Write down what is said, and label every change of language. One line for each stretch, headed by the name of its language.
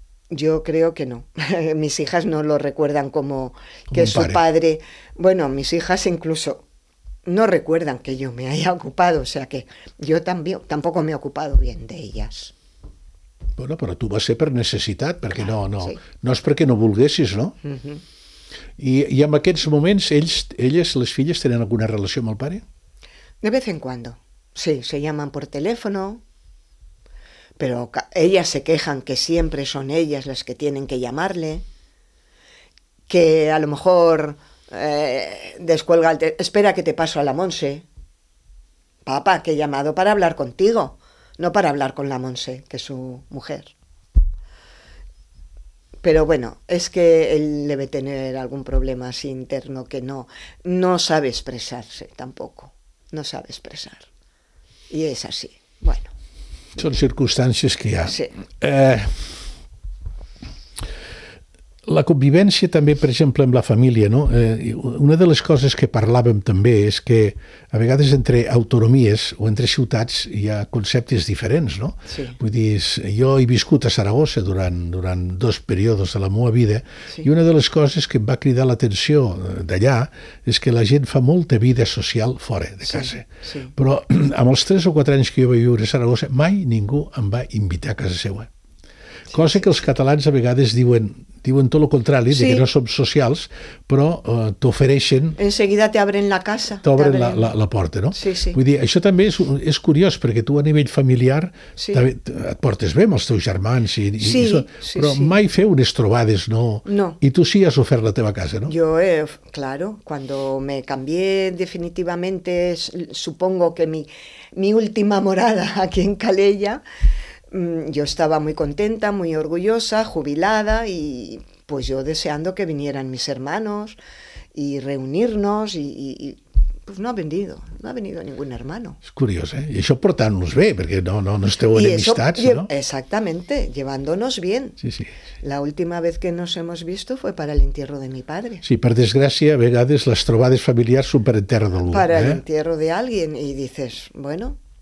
Spanish: Yo creo que no. Mis hijas no lo recuerdan como que su padre... Bueno, mis hijas incluso no recuerdan que yo me haya ocupado. O sea que yo también tampoco me he ocupado bien de ellas.
Catalan: Bueno, però tu vas ser per necessitat, perquè no és perquè no volguessis, no? Uh-huh. I en aquests moments, elles, les filles, tenen alguna relació amb el pare?
Spanish: De vez en cuando. Sí, se llaman por teléfono. Pero ellas se quejan que siempre son ellas las que tienen que llamarle, que a lo mejor descuelga el teléfono. Espera que te paso a la Monse. Papá, que he llamado para hablar contigo, no para hablar con la Monse, que es su mujer. Pero bueno, es que él debe tener algún problema así interno que no sabe expresarse tampoco. No sabe expresar. Y es así. Bueno.
Catalan: Són circumstàncies que hi ha. Sí. La convivència també, per exemple, amb la família, no? Una de les coses que parlàvem també és que a vegades entre autonomies o entre ciutats hi ha conceptes diferents, no? Sí. Vull dir, jo he viscut a Saragossa durant dos períodes de la meva vida, sí. I una de les coses que em va cridar l'atenció d'allà és que la gent fa molta vida social fora de casa. Sí. Sí. Però amb els 3 o 4 anys que jo vaig viure a Saragossa, mai ningú em va invitar a casa seva. Cosa que els catalans a vegades diuen tot el contrari, sí. De que no som socials, però t'ofereixen...
Spanish: Enseguida te abren la casa.
Catalan: T'obren la porta, no? Sí, sí. Vull dir, això també és curiós, perquè tu a nivell familiar sí. Et portes bé amb els teus germans, però mai feu unes trobades, no? No. I tu sí has ofert la teva casa, no?
Spanish: Yo, claro, cuando me cambié definitivamente, supongo que mi última morada aquí en Calella... Yo estaba muy contenta, muy orgullosa, jubilada y pues yo deseando que vinieran mis hermanos y reunirnos y pues no ha venido ningún hermano. Es curioso, ¿eh? Y eso portándonos bien, porque
Catalan: no esteu en amistats,
Spanish: ¿no? Exactamente, llevándonos bien. Sí, sí, sí. La última vez que nos hemos visto fue para el entierro de mi padre.
Catalan: Sí, per desgracia, a vegades les trobades familiars són per enterro d'algú.
Spanish: Para el entierro de alguien y dices, bueno...